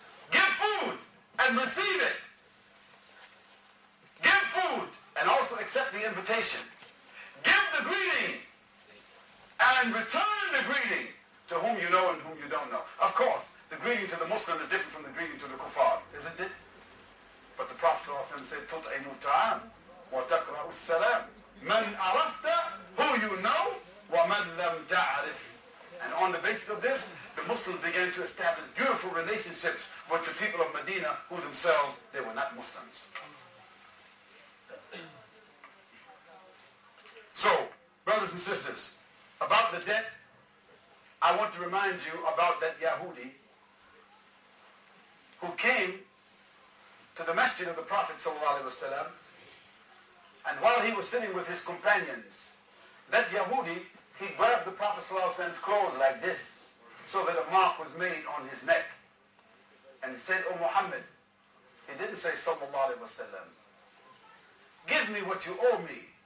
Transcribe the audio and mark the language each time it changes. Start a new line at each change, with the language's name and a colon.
English: Give food and receive it. Give food and also accept the invitation. Give the greeting and return the greeting to whom you know and whom you don't know. Of course, the greeting to the Muslim is different from the greeting to the kuffar, isn't it? But the Prophet ﷺ said,
Arabic: تُطْعِمُ الطَّعَامَ وَتَقْرَأُ السَّلَامَ مَنْ عَرَفْتَ,
English: who you know,
Arabic: وَمَنْ لَمْ تَعْرِفْ.
English: And on the basis of this, the Muslims began to establish beautiful relationships with the people of Medina, who themselves, they were not Muslims. So, brothers and sisters, about the debt, I want to remind you about that Yahudi who came to the masjid of the Prophet sallallahu alaihi wasallam, and while he was sitting with his companions, that Yahudi, he grabbed the Prophet sallallahu alaihi wasallam's clothes like this, so that a mark was made on his neck, and said, O Muhammad, he didn't say sallallahu alaihi wasallam, give me what you owe me.